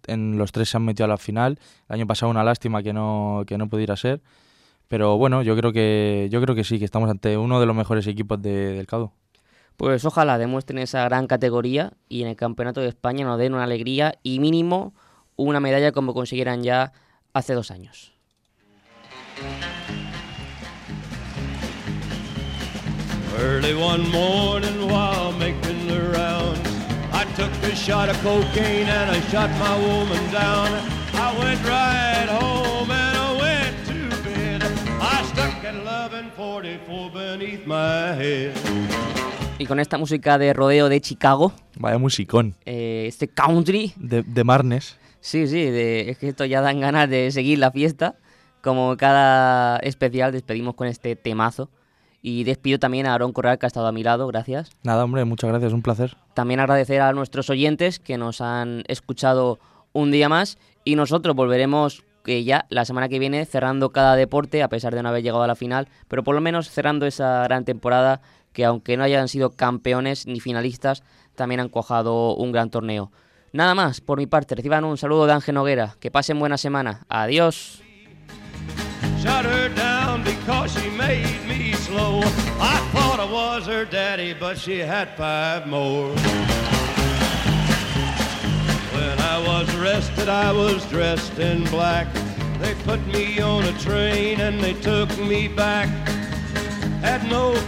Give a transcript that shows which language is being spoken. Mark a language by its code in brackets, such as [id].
[es] En los 3 se han metido a la final. El año pasado una lástima que no pudiera ser, pero bueno, yo creo que sí, que estamos ante uno de los mejores equipos del CADU. Pues ojalá demuestren esa gran categoría y en el Campeonato de España nos den una alegría y mínimo una medalla como consiguieran ya hace 2 años. [en] Early one morning while making the rounds, I took a shot of cocaine and I shot my woman down. I went right home and I went to bed. I stuck at 11:44 beneath my head. [es] Y con esta música de rodeo de Chicago. Vaya musicón. Este country. De Marnes. Sí, sí, es que esto ya dan ganas de seguir la fiesta. Como cada especial, despedimos con este temazo. Y despido también a Aarón Corral, que ha estado a mi lado, gracias. Nada, hombre, muchas gracias, un placer. También agradecer a nuestros oyentes que nos han escuchado un día más. Y nosotros volveremos ya la semana que viene cerrando cada deporte, a pesar de no haber llegado a la final, pero por lo menos cerrando esa gran temporada que, aunque no hayan sido campeones ni finalistas, también han cuajado un gran torneo. Nada más, por mi parte, reciban un saludo de Ángel Noguera. Que pasen buena semana. Adiós. [en] Shut her down because she made me slow. I thought I was her daddy, but she had 5 more. When I was arrested, I was dressed in black. They put me on a train and they took me back. Had no